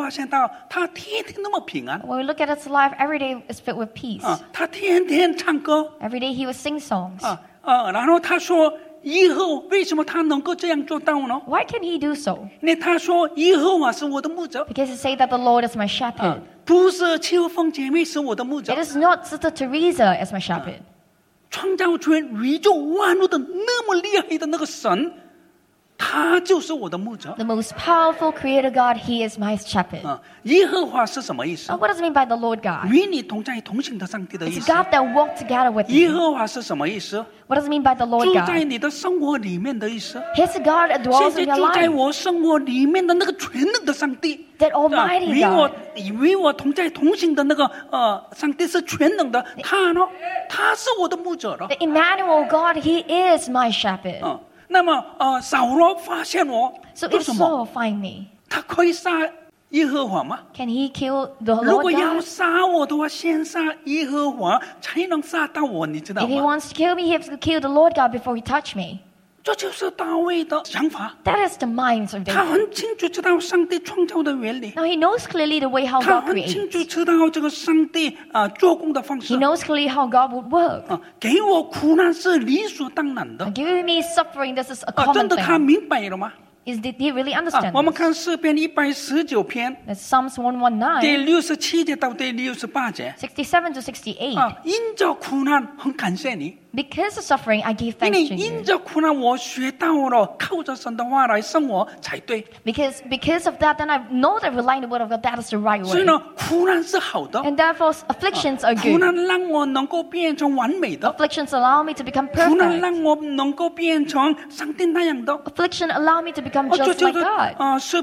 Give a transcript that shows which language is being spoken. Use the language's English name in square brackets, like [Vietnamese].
[Chinese] 但是我们看他的生活的时候发现到他天天那么平安。 [English] When we look at his life, every day is filled with peace. [Chinese] 他天天唱歌。 [English] Every day he would sing songs. [Chinese] 然后他说 以后为什么他能够这样做到呢? [English] Why can he do so? [Chinese] 他说以后是我的牧者。 [English] Because he said that the Lord is my shepherd. [Chinese] 不是秋风姐妹是我的牧者。 [English] It is not Sister Teresa as my shepherd. [Chinese] 创造出宇宙万物的那么厉害的那个神, 他就是我的牧者。 [English] The most powerful creator God, he is my shepherd. [Chinese] 耶和华是什么意思? [English] What does it mean by the Lord God? [Chinese] 与你同在同行的上帝的意思。 [English] It's God that walked together with you. [Chinese] 耶和华是什么意思? [English] What does it mean by the Lord God? [Chinese] 住在你的生活里面的意思。 [English] His God dwells in your life. [Chinese] 住在我生活里面的那个全能的上帝。 [English] That Almighty God. [Chinese] 与我同在同行的那个上帝是全能的。他是我的牧者了。 [English] The Emmanuel God, he is my shepherd. [Chinese] 那么扫罗发现我 [English] So if Saul find me [Chinese] 他可以杀耶和华吗? [English] Can he kill the Lord God? [Chinese] 如果要杀我的话先杀耶和华才能杀到我你知道吗? [English] If he wants to kill me he has to kill the Lord God before he touch me [Chinese] 这就是大卫的想法 [English] That is the mind of David [Chinese] 他很清楚知道上帝创造的原理 [English] Now he knows clearly the way how God creates [Chinese] 他很清楚知道这个上帝做工的方式 [English] He knows clearly how God would work [Chinese] 给我苦难是理所当然的 [English] Giving me suffering, this is a common [Chinese] 真的他明白了吗? [English] thing [Chinese] 真的他明白了吗? [English] Did he really understand this? [Chinese] 我们看诗篇119篇 [English] That's Psalms 119 [Chinese] 第67节到第68节 [English] 67 to 68 [Chinese] 因着苦难很感谢你 [English] Because of suffering, I give thanks to you. [Chinese] 因着苦难我学到了靠着神的话来生活才对。 [English] Because of that, then I know that relying on the word of God, that is the right way. [Chinese] 所以呢,苦难是好的。 [English] And therefore, afflictions are good. [Chinese] 苦难让我能够变成完美的。 [English] Afflictions allow me to become perfect. [Chinese] 苦难让我能够变成上帝那样的。 [English] Afflictions allow me to become just like God.